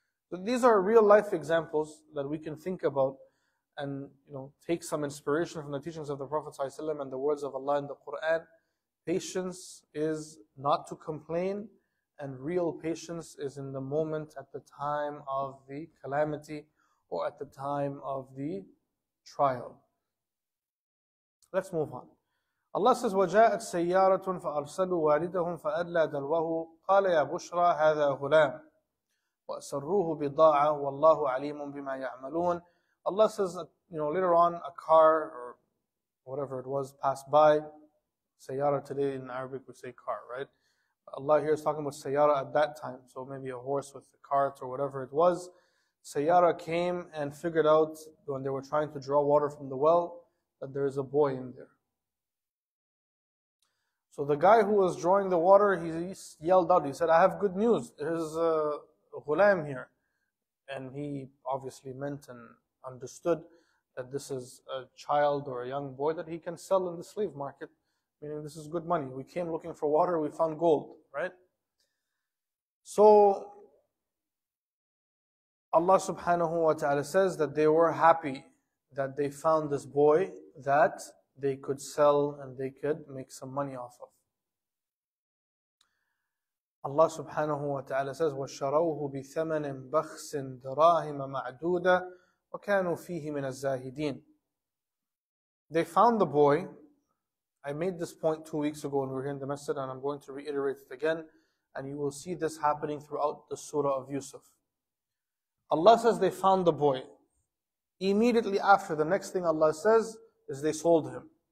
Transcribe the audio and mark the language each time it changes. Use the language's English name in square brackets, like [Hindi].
[English] So these are real life examples that we can think about and, you know, take some inspiration from the teachings of the Prophet ﷺ and the words of Allah in the Quran. Patience is not to complain, and real patience is in the moment at the time of the calamity or at the time of the trial. Let's move on. [Arabic] Allah says, وَجَاءَتْ سَيَّارَةٌ فَأَرْسَلُوا وَارِدَهُمْ فَأَدْلَى دَلْوَهُ قَالَ يَا بُشْرَى هَذَا غُلَامٌ وَأَسَرُّوهُ بِضَاعَةٌ وَاللَّهُ عَلِيمٌ بِمَا يَعْمَلُونَ. [English] Allah says, you know, later on, a car or whatever it was passed by. Sayyara today in Arabic we say car, right? Allah here is talking about Sayyara at that time. So maybe a horse with a cart or whatever it was. Sayyara came and figured out when they were trying to draw water from the well that there is a boy in there. So the guy who was drawing the water, he yelled out, he said, I have good news, there's a ghulam here. And he obviously meant and understood that this is a child or a young boy that he can sell in the slave market, meaning this is good money. We came looking for water, we found gold, right? So Allah subhanahu wa ta'ala says that they were happy that they found this boy that they could sell and they could make some money off of. [Arabic] Allah subhanahu wa ta'ala says, وَشَرَوْهُ بِثَمَنٍ بَخْسٍ دَرَاهِمَ مَعْدُودَ وَكَانُوا فِيهِ مِنَ الزَّاهِدِينَ. [English] They found the boy. I made this point 2 weeks ago when we were here in the masjid, and I'm going to reiterate it again, and you will see this happening throughout the surah of Yusuf. Allah says they found the boy. Immediately after, the next thing Allah says is they sold him.